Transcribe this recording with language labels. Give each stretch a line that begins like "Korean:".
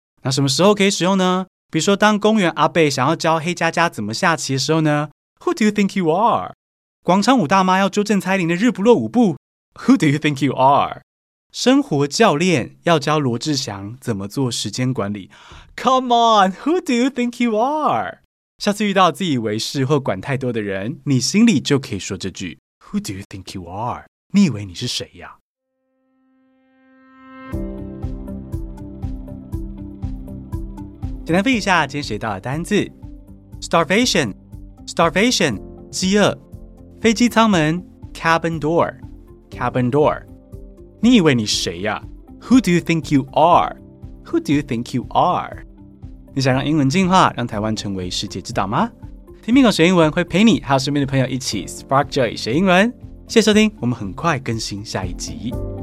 Chinese: 那什么时候可以使用呢？比如说当公园阿贝想要教黑加加怎么下棋的时候呢？
English: Who do you think you are?
Chinese: 广场舞大妈要纠正蔡依林的日不落舞步。
English: Who do you think you are?
Chinese: 生活教练要教罗志祥怎么做时间管理。
English: Come on, who do you think you are?
Chinese: 下次遇到自以为是或管太多的人，你心里就可以说这句
English: Who do you think you are?
Chinese: 你以为你是谁呀？简单复习一下今天学到的单字。Starvation，Starvation， 饥饿。飞机舱门 ，cabin door， cabin door。你以为你谁呀
English: ？Who do you think you are？ Who do you think you are？
Chinese: 你想让英文进化，让台湾成为世界之岛吗？听命口学英文会陪你还有身边的朋友一起 Spark Joy 学英文。谢谢收听，我们很快更新下一集。